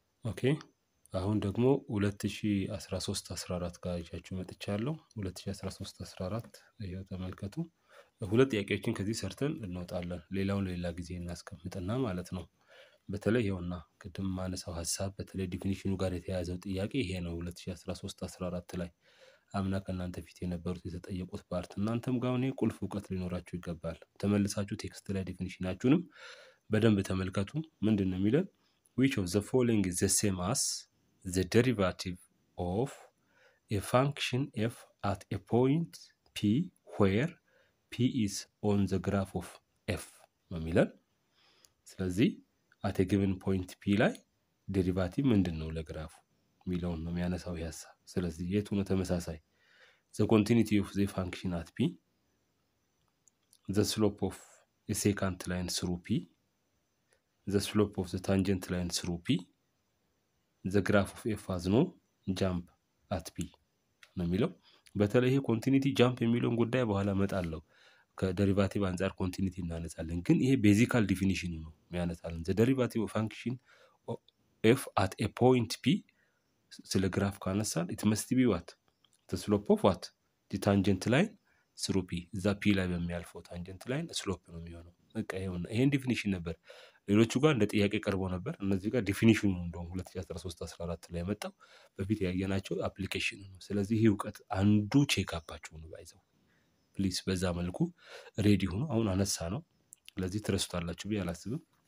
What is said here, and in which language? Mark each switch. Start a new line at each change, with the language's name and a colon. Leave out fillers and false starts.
Amharic: ኦኬ አሁን ደግሞ 2013-14 ጋር ይዣችሁ መጥቻለሁ። 2013-14 ይኸው ተመልከቱ። ሁለት ጥያቄዎችን ከዚህ ሰርተን እንወጣለን። ሌላውን ለሌላ ጊዜ እናስቀምጥና ማለት ነው። በተለይ ይኸውና ቅድም ማነሳው ሀሳብ በተለይ ዲፊኒሽኑ ጋር የተያያዘው ጥያቄ ይሄ ነው። 2013-14 ላይ አምና ከእናንተ ፊት የነበሩት የተጠየቁት ፓርት እናንተም ጋር እኔ ቁልፍ እውቀት ሊኖራችሁ ይገባል። ተመልሳችሁ ቴክስት ላይ ዲፊኒሽናችሁንም በደንብ ተመልከቱ። ምንድን ነው የሚለን?
English: Which of the following is the same as the derivative of a function f at a point p where p is on the graph of f?
Amharic: ማለት ስለዚህ
English: at a given point p
Amharic: ላይ derivative ምንድን ነው ለግራፉ ሚለው ነው የሚያነሳው ያሳ። ስለዚህ የቱ ነው ተመሳሳይ?
English: The continuity of the function at p, the slope of a secant line through p, the slope of the tangent line through p, the graph of f has no jump at p
Amharic: ነው የሚለው። በተለይ ይሄ ኮንቲኒቲ ጃምፕ የሚለውን ጉዳይ በኋላ መጣለው። ከደሪቫቲቭ አንጻር ኮንቲኒቲ እናነሳለን፣ ግን ይሄ ቤዚካል ዲፊኒሽኑ ነው የሚያነሳለን። the derivative of function f at a point p ስለ ግራፍ ካነሳን
English: it must be what? the slope of what? the tangent line through p
Amharic: እዛ p ላይ በሚያልፈው ታንጀንት ላይን ስሎፕ ነው የሚሆነው። በቃ ይሄን ዲፊኒሽን ነበር ሌሎቹ ጋር እንደ ጥያቄ ቀርቦ ነበር። እነዚህ ጋር ዲፊኒሽኑ እንደውም 2013-14 ላይ የመጣው በፊት ያየናቸው አፕሊኬሽን ነው። ስለዚህ ይህ እውቀት አንዱ ቼክ አፓችሁ ነው። ባይዘው ፕሊስ በዛ መልኩ ሬዲ ሁኑ። አሁን አነሳ ነው ለዚህ ትረሱታላችሁ ብዬ አላስብም።